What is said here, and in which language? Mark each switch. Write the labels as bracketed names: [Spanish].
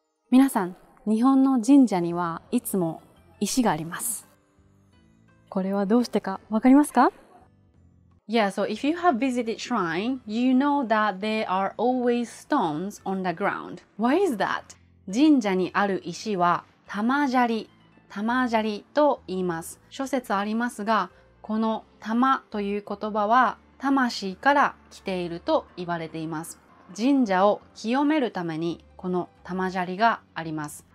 [Japanese] 皆さん、日本の神社にはいつも石があります。これはどうしてかわかりますか？ [English] Yeah, so if you have visited shrine, you know that there are always stones on the ground. Why is that? [Japanese] 神社にある石は玉砂利、玉砂利と言います。諸説ありますが、この玉という言葉は魂から来ていると言われています。神社を清めるためにこの玉砂利があります。